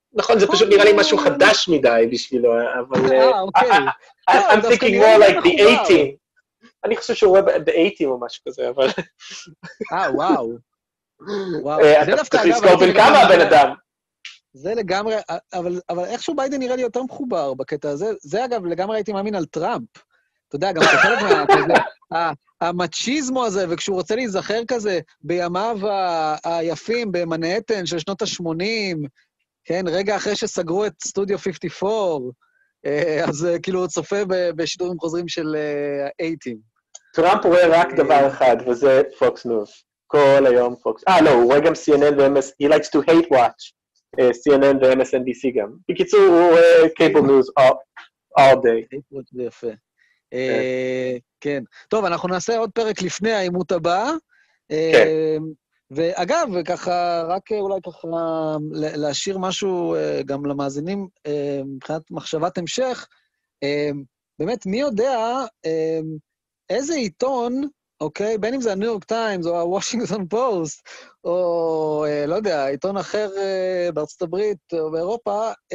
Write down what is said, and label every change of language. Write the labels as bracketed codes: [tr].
[he] נכון, זה פשוט נראה לי משהו חדש מדי בשבילו, אבל... [en] I'm thinking more like the 80. [he] אני חושב שהוא רואה ב-80 או משהו כזה, אבל... וואו. אתה צריך לזכור בין כמה הבן אדם. זה לגמרי, אבל איכשהו ביידן נראה לי יותר מחובר בקטע הזה. זה אגב לגמרי הייתי מאמין על טראמפ. אתה יודע, גם אתה חלק מה... המצ'יזמו הזה, וכשהוא רוצה להיזכר כזה בימיו היפים, במנהטן של שנות ה-80, כן, רגע אחרי שסגרו את סטודיו 54, אז כאילו הוא צופה בשידורים חוזרים של ה-80. טראמפ רואה רק דבר אחד, וזה Fox News. כל היום Fox... לא, הוא רואה גם CNN ו-MS... [en] He likes to hate watch CNN [he] ו-MSNBC גם. בקיצור, הוא רואה Cable News [en] all day. [he] זה יפה. כן. טוב, אנחנו נעשה עוד פרק לפני האימות הבא. כן. ואגב, ככה, רק אולי ככה להשאיר משהו גם למאזינים, מבחינת מחשבת המשך, באמת, מי יודע איזה עיתון, אוקיי, בין אם זה ה-New York Times או ה-Washington Post, או לא יודע, עיתון אחר בארצות הברית או באירופה,